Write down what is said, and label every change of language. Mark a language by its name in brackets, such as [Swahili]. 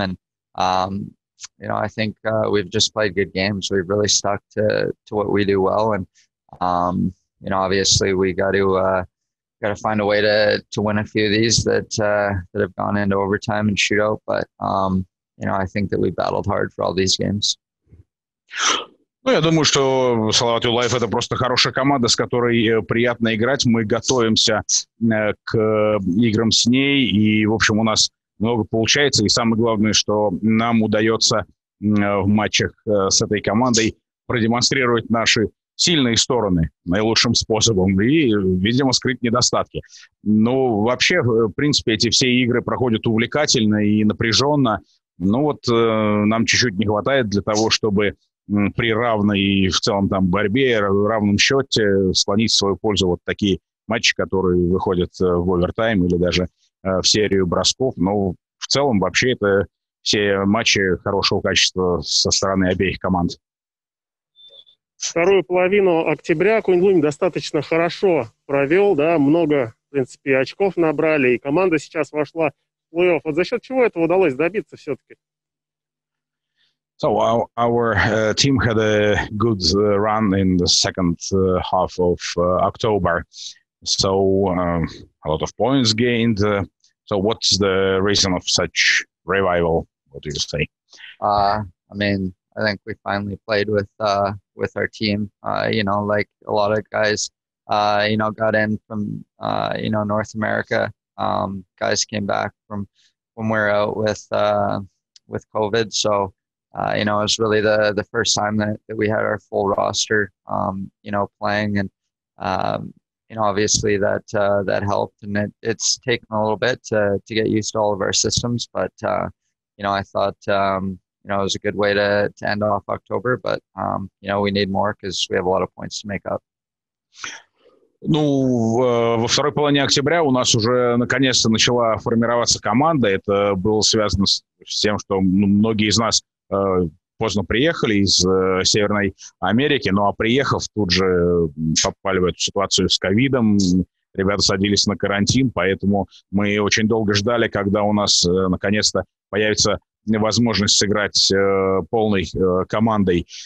[English] And, I think we've just played good games. We've really stuck to what we do well. And, obviously we got to find a way to win a few of these that have gone into overtime and shootout. But, I think that we battled hard for all these games. [Russian] Ну, я думаю, что Салават Юлаев – это просто хорошая команда, с которой приятно играть. Мы готовимся к играм с ней, и, в общем, у нас много получается. И самое главное, что нам удается в матчах с этой командой продемонстрировать наши сильные стороны наилучшим способом и, видимо, скрыть недостатки. Но вообще, в принципе, эти все игры проходят увлекательно и напряженно. Ну вот, нам чуть-чуть не хватает для того, чтобы при равной в целом там борьбе, равном счете склонить в свою пользу вот такие матчи, которые выходят в овертайм или даже в серию бросков. Но в целом вообще это все матчи хорошего качества со стороны обеих команд. Вторую половину октября Кунь-Лунь достаточно хорошо провел, да, много, в принципе, очков набрали, и команда сейчас вошла в плей-офф. Вот за счет чего этого удалось добиться все-таки? [English] So our team had a good run in the second half of October. So a lot of points gained. So what's the reason of such revival? What do you say? I mean, I think we finally played with our team. You know, like a lot of guys, you know, got in from you know, North America. Guys came back from when we're out with COVID. So you know, it was really the first time that we had our full roster, you know, playing, and you know, obviously that helped. And it's taken a little bit to get used to all of our systems, but you know, I thought you know, it was a good way to end off October. But you know, we need more because we have a lot of points to make up. [Russian] Ну, во второй половине октября у нас уже наконец-то начала формироваться команда. Это было связано с тем, что многие из нас поздно приехали из Северной Америки, ну а приехав, тут же попали в эту ситуацию с ковидом, ребята садились на карантин, поэтому мы очень долго ждали, когда у нас наконец-то появится возможность сыграть полной командой.